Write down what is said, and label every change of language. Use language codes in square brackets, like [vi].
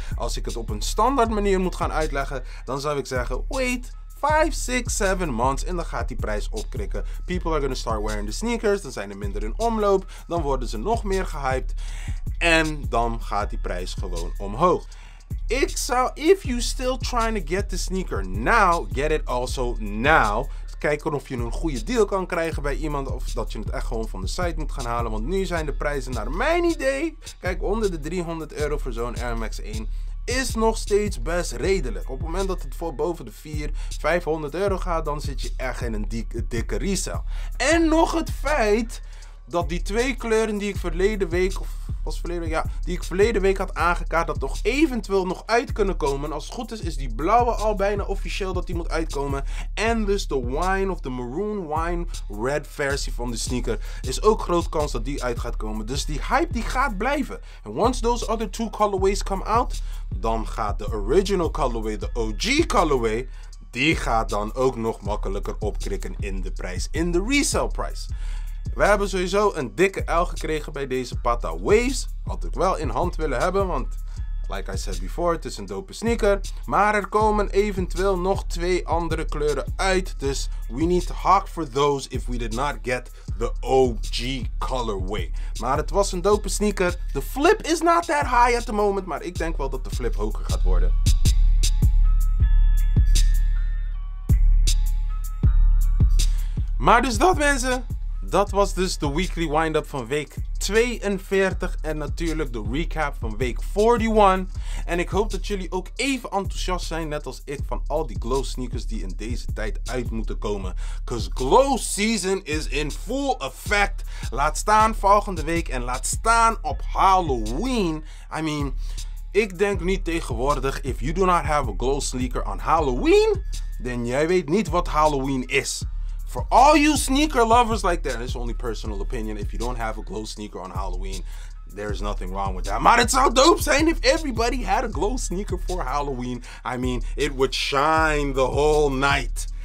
[nl] Als ik het op een standaard manier moet gaan uitleggen, dan zou ik zeggen, wait 5, 6, 7 months en dan gaat die prijs opkrikken. [en] People are gonna start wearing the sneakers, [nl] dan zijn er minder in omloop, dan worden ze nog meer gehyped en dan gaat die prijs gewoon omhoog. Ik zou, [en] if you still trying to get the sneaker now, get it also now. [nl] Kijken of je een goede deal kan krijgen bij iemand of dat je het echt gewoon van de site moet gaan halen. Want nu zijn de prijzen naar mijn idee, kijk, onder de 300 euro voor zo'n Air Max 1 is nog steeds best redelijk. Op het moment dat het voor boven de 400-500 euro gaat, dan zit je echt in een dikke resale. En nog het feit dat die twee kleuren die ik verleden week, of was verleden week, ja, die ik verleden week had aangekaart, dat toch eventueel nog uit kunnen komen. Als het goed is, is die blauwe al bijna officieel dat die moet uitkomen. En dus de wine of de maroon wine red versie van de sneaker is ook groot kans dat die uit gaat komen. Dus die hype die gaat blijven. En [en] once those other two colorways come out, [nl] dan gaat de original colorway, de OG colorway, die gaat dan ook nog makkelijker opkrikken in de prijs, in de resale prijs. We hebben sowieso een dikke L gekregen bij deze Pata Waves. Had ik wel in hand willen hebben, want [en] like I said before, [nl] het is een dope sneaker. Maar er komen eventueel nog twee andere kleuren uit. Dus [en] we need to hawk for those if we did not get the OG colorway. [nl] Maar het was een dope sneaker. De flip [en] is not that high at the moment, [nl] maar ik denk wel dat de flip hoger gaat worden. Maar dus dat, mensen. Dat was dus de weekly wind-up van week 42 en natuurlijk de recap van week 41. En ik hoop dat jullie ook even enthousiast zijn, net als ik, van al die glow sneakers die in deze tijd uit moeten komen. [en] Cause glow season is in full effect. [nl] Laat staan volgende week en laat staan op Halloween. [en] I mean, [nl] ik denk niet tegenwoordig, [en] if you do not have a glow sneaker on Halloween, then [nl] jij weet niet wat Halloween is. [en] For all you sneaker lovers like that, it's only personal opinion. If you don't have a glow sneaker on Halloween, there's nothing wrong with that. [nl] Maar het zou dope zijn [en] if everybody had a glow sneaker for Halloween. I mean, it would shine the whole night.